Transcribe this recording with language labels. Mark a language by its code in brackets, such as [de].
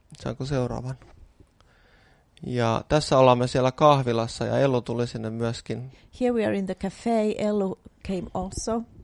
[fi] Saanko seuraavan? Ja tässä ollaan me siellä kahvilassa ja Ellu tuli sinne myöskin. [en] Here we are in the cafe, Ellu came also.